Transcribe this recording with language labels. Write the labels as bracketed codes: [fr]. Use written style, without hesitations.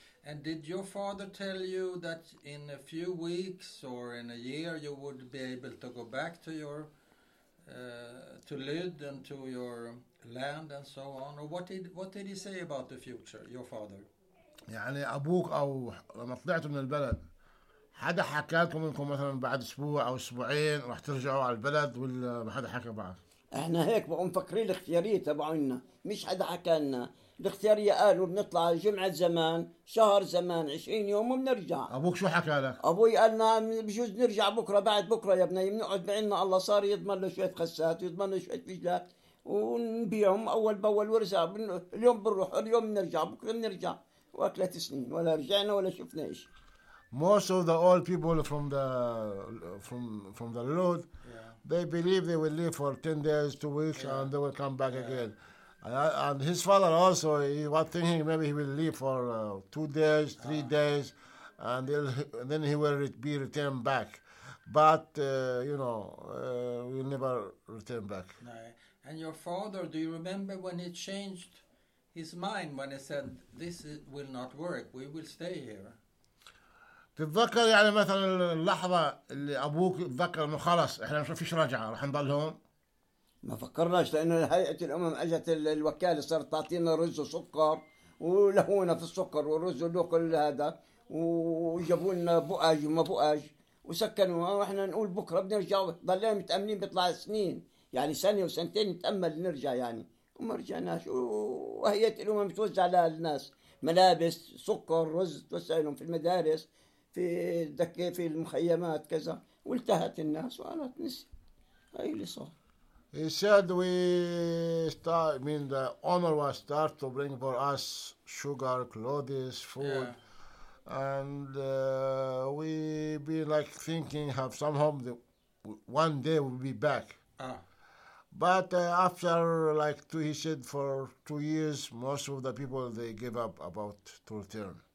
[en] And did your father tell you that in a few weeks or in a year you would be able to go back to your to Lyd and to your land and so on, or what did he say about the future, your father? [ar] يعني أبوك أو لما طلعتوا من البلد حدا حكى لكم إنكم مثلاً بعد أسبوع أو أسبوعين راح ترجعوا على البلد ولا ما حدا حكى بعد؟ إحنا هيك بقوا مفكرين الاختيارية تبعنا، مش حدا حكى لنا الاختيارية. قالوا بنطلع جمعة زمان شهر زمان 20 يوم وبنرجع. أبوك شو حكى لك؟ أبوي قال لنا بجوز نرجع بكرة بعد بكرة يا ابني بنقعد بعيننا. الله صار يضمن له شوية خسات ويضمن له شوية فجلات ونبيعهم أول بأول ورزع اليوم بنروح اليوم بنرجع بكرة بنرجع وأكلة سنين ولا رجعنا ولا شفنا إيش. [en] Most of the old people from the Lyd, they believe they will live for 10 days, 2 weeks and they will come back again. And his father also, he was thinking maybe he will leave for 2 days, 3 days, and then he will be returned back. But, we'll never return back. No. And your father, do you remember when he changed his mind, when he said, this will not work, we will stay here? [ar] تتذكر يعني مثلا اللحظة اللي أبوك تذكر أنه خلص إحنا ما فيش رجعة رح نضل هون؟ ما فكرناش، لأنه هيئة الأمم أجت الوكالة صارت تعطينا رز وسكر ولهونا في السكر والرز وكل هذا وجابوا لنا بؤج وما بؤج وسكنوا وإحنا نقول بكرة بنرجع. ضلينا متأملين بيطلع سنين يعني سنة وسنتين نتأمل نرجع يعني وما رجعناش. وهيئة الأمم توزع لها الناس ملابس سكر رز توزع لهم في المدارس في الدكة في المخيمات كذا والتهت الناس وقالت نسي هاي اللي صار. [en] He said we start. I mean, the owner was start to bring for us sugar, clothes, food, and we be like thinking have some hope that one day we'll be back. But after like two, he said for 2 years, most of the people they gave up about to return.